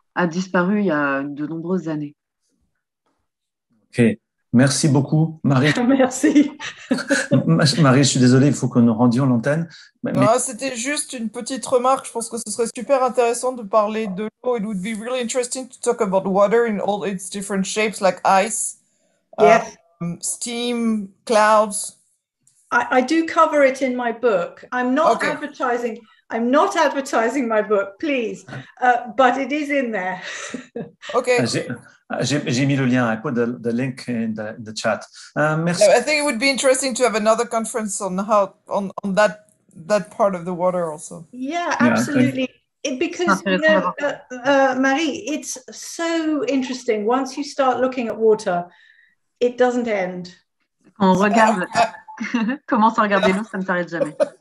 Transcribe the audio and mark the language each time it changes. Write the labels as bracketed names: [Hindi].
[French] A disparu il y a de nombreuses années. Ok, merci beaucoup, Marie. Merci. Marie, je suis désolée, il faut que nous rendions l'antenne. C'était juste une petite remarque. Je pense que ce serait super intéressant de parler de l'eau. [English] It would be really interesting to talk about water in all its different shapes, like ice, yeah. Steam, clouds. I do cover it in my book. I'm not advertising my book, please, but it is in there. Okay. [French] J'ai mis le lien, [English] I put the link in the chat. [French] Merci. [English] I think it would be interesting to have another conference on how on that part of the water also. Yeah, absolutely. Marie, it's so interesting. Once you start looking at water, it doesn't end. [French] On regarde. Commence à regarder l'eau, ça ne s'arrête jamais.